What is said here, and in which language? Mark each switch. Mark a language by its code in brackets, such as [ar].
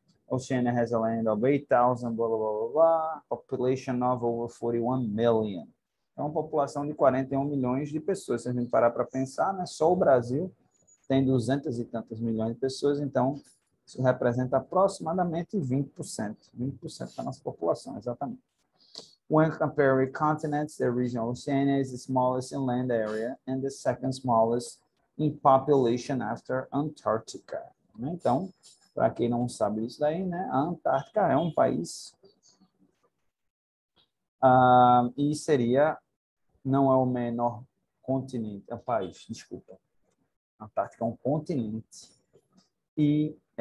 [en] Oceania has a land of 8,000, blah, blah, blah, blah, blah, population of over 41 million. [pt] Então, uma população de 41 milhões de pessoas. Se a gente parar para pensar, né? Só o Brasil tem 200 e tantos milhões de pessoas, então... Isso representa aproximadamente 20%. 20% da nossa população, exatamente. [en] When compared with continents, the region of Oceania is the smallest in land area and the second smallest in population after Antarctica. [pt] Então, para quem não sabe isso daí, né? A Antártica é um país. E seria. Não é o menor continente. É um país, desculpa. Antártica é um continente. E.